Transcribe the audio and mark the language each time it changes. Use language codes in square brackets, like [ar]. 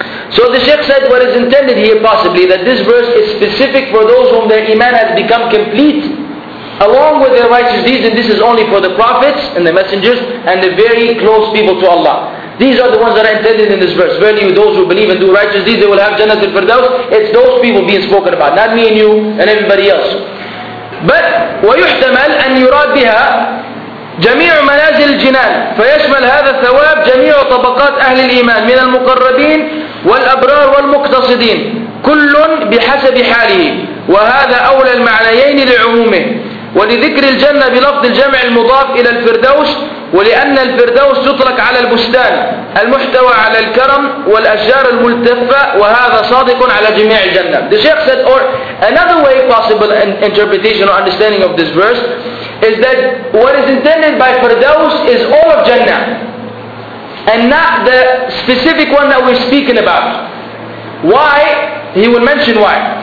[en] So the Shaykh said what is intended here possibly, that this verse is specific for those whom their Iman has become complete along with their righteous deeds, and this is only for the Prophets and the Messengers and the very close people to Allah. These are the ones that are intended in this verse. Verily, those who believe and do righteous deeds, they will have Jannah al-Firdaus. It's those people being spoken about, not me and you and everybody else. [ar] But وَيُحْتَمَلْ أَنْ يُرَادْ بِهَا جميع منازل الجنان فيشمل هذا الثواب جميع طبقات أهل الإيمان من المقربين والأبرار والمقتصدين كل بحسب حاله وهذا أولى المعنيين لعمومه ولذكر الجنة بلفظ الجمع المضاف إلى الفردوس ولأن الفردوس تطلق على البستان المحتوى على الكرم والأشجار الملتفة وهذا صادق على جميع الجنة. [en] The Shaykh said, or another way possible interpretation or understanding of this verse is that what is intended by Firdaus is all of Jannah and not the specific one that we're speaking about. Why? He will mention why.